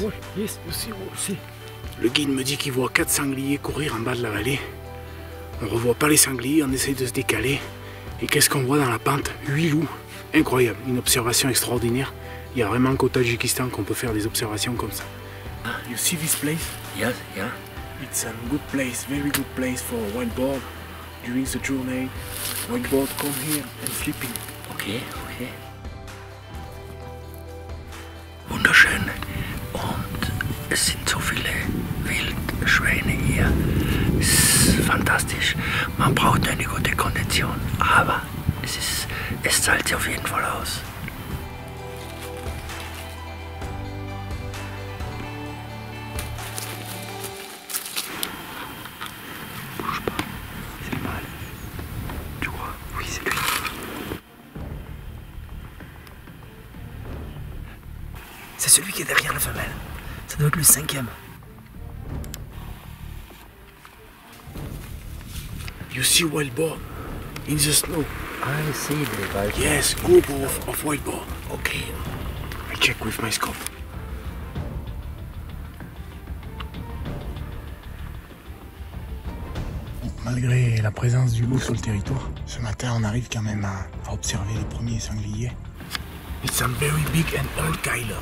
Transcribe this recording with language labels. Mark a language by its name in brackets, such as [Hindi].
[English] Wolf, yes, [French] aussi, [English] wolf, si. [French] Le guide me dit qu'il voit 4 sangliers courir en bas de la vallée. On revoit pas les sangliers, on essaye de se décaler. Et qu'est-ce qu'on voit dans la pente? 8 loups. Incroyable, une observation extraordinaire. Il n'y a vraiment qu'au Tadjikistan qu'on peut faire des observations comme ça. [English] You see this place? Yes, yeah. It's a good place, very good place for wild boar. During the journey, wild boar come here and flipping. Okay, okay. [German] Wunderschön. Und es sind so viele Wildschweine hier. Es ist fantastisch. Man braucht eine gute Kondition, aber es ist. Es zahlt sich auf jeden Fall aus. [French] Bouge pas. C'est celui qui est derrière la femelle. Ça doit être le cinquième. [English] You see white boar in the snow. I see the white boar. Yes, group of white boar. Okay. I check with my scope. [French] Malgré la présence du loup sur le territoire, ce matin on arrive quand même à observer les premiers sangliers. [English] It's a very big and old Kyler.